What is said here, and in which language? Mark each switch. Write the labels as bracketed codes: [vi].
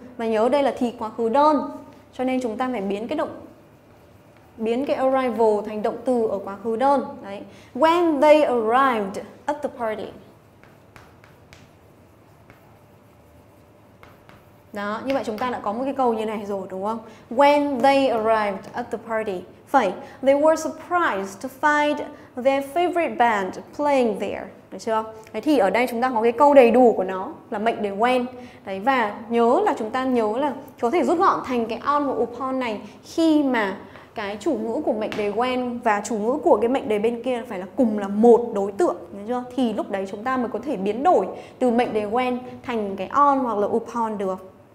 [vi] Mà nhớ đây là thì quá khứ đơn, cho nên chúng ta phải biến cái arrival thành động từ ở quá khứ đơn. Đấy. [en] When they arrived at the party. [vi] Đó, như vậy chúng ta đã có một cái câu như này rồi, đúng không? [en] When they arrived at the party. [vi] Phải, [en] they were surprised to find their favorite band playing there. [vi] Được chưa? Đấy, thì ở đây chúng ta có cái câu đầy đủ của nó là mệnh đề when. Đấy, và nhớ là chúng ta nhớ là có thể rút gọn thành cái on hoặc upon này khi mà cái chủ ngữ của mệnh đề when và chủ ngữ của cái mệnh đề bên kia phải là cùng là một đối tượng, đúng chưa? Thì lúc đấy chúng ta mới có thể biến đổi từ mệnh đề when thành cái on hoặc là upon được.